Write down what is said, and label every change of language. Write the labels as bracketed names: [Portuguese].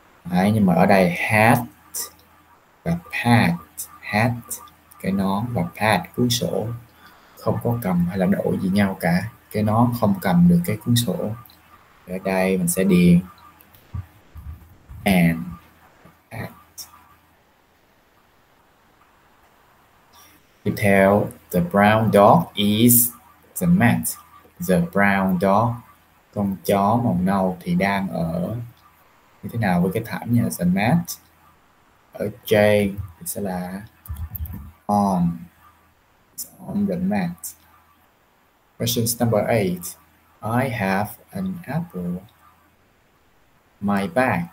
[Vietnamese] Đấy, nhưng mà ở đây hat và pad. Hat, cái nón, và pad, cuốn sổ. Không có cầm hay là đội gì nhau cả. Cái nón không cầm được cái cuốn sổ. Ở đây mình sẽ điền and pad. [English] Tiếp theo, the brown dog is the mat. The brown dog, [Vietnamese] con chó màu nâu thì đang ở như thế nào với cái thảm nhà? [English] The mat. [Vietnamese] Ở trên thì sẽ là [English] on. It's on the mat. Question number 8. I have an apple. My bag.